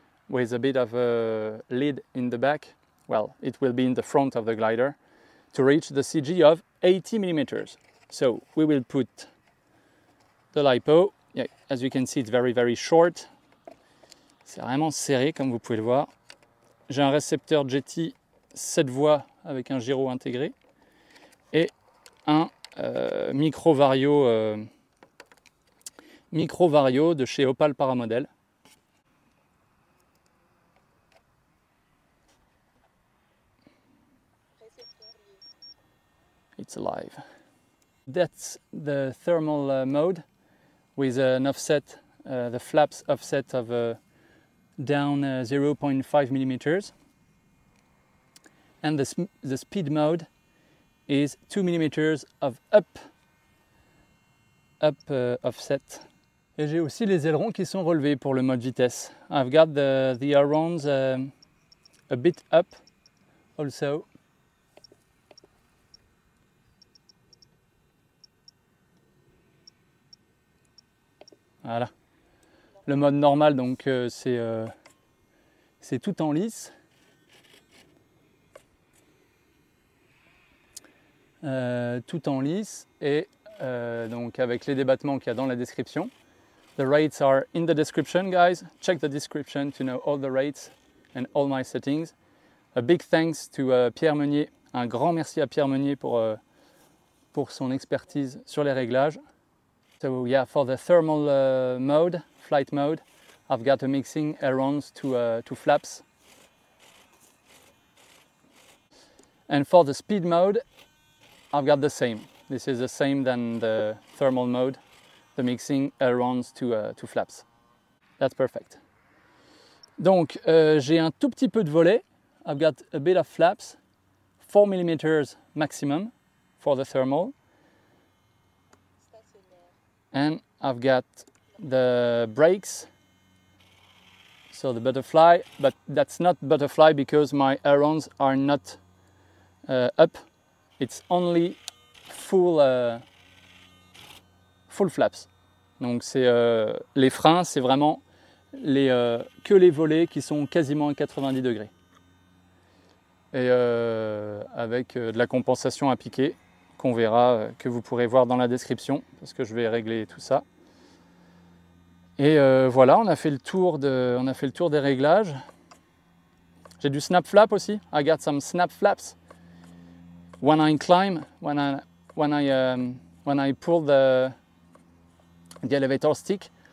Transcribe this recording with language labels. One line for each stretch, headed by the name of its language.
English: With a bit of a lead in the back, well, it will be in the front of the glider, to reach the CG of 80 millimeters. So we will put the lipo. Yeah, as you can see, it's very, very short.
French: C'est vraiment serré, comme vous pouvez le voir. J'ai un récepteur Jetty 7 voies avec un gyro intégré et un micro vario de chez Opal Paramodel.
English: It's alive. That's the thermal mode with an offset, the flaps offset of down 0.5 millimeters. And the speed mode is 2 millimeters of up offset.
French: Et j'ai aussi les ailerons qui sont relevés pour le mode vitesse.
English: I've got the ailerons a bit up also.
French: Voilà, le mode normal, donc c'est tout en lisse. Tout en lisse et donc avec les débattements qu'il y a dans la description.
English: The rates are in the description, guys. Check the description to know all the rates and all my settings. A big thanks to Pierre Meunier.
French: Un grand merci à Pierre Meunier pour son expertise sur les réglages.
English: So yeah, for the thermal mode, flight mode, I've got a mixing ailerons to flaps. And for the speed mode, I've got the same. This is the same than the thermal mode, the mixing ailerons to flaps. That's perfect.
French: Donc, j'ai un tout petit peu de volet.
English: I've got a bit of flaps, 4 millimeters maximum for the thermal. And I've got the brakes, so the butterfly, but that's not butterfly because my ailerons are not up. It's only full flaps.
French: Donc c'est les freins, c'est vraiment que les volets qui sont quasiment à 90 degrés. Et avec de la compensation appliquée. Qu'on verra, que vous pourrez voir dans la description, parce que je vais régler tout ça. Et voilà, on a fait le tour des réglages. J'ai du snap flap aussi.
English: I got some snap flaps when I climb, when I pull the elevator stick.